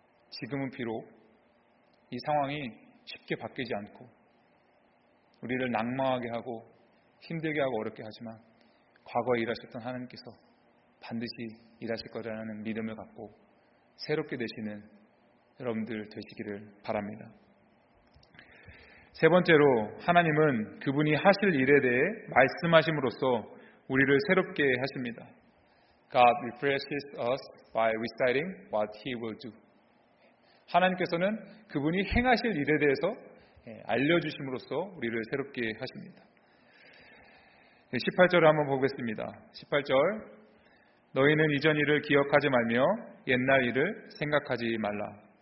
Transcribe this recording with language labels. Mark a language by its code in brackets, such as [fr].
[ko] 지금은 비록 이 상황이 쉽게 바뀌지 않고 우리를 낙망하게 하고 힘들게 하고 어렵게 하지만 과거에 일하셨던 하나님께서 반드시 일하실 거라는 믿음을 갖고 새롭게 되시는 여러분들 되시기를 바랍니다. 세 번째로 하나님은 그분이 하실 일에 대해 말씀하심으로써 우리를 새롭게 하십니다. [en] God refreshes us by reciting what He will do. [ko] 하나님께서는 그분이 행하실 일에 대해서 알려주심으로써 우리를 새롭게 하십니다. 18절을 한번 보겠습니다. 18절 너희는 이전 일을 기억하지 말며 옛날 일을 생각하지 말라.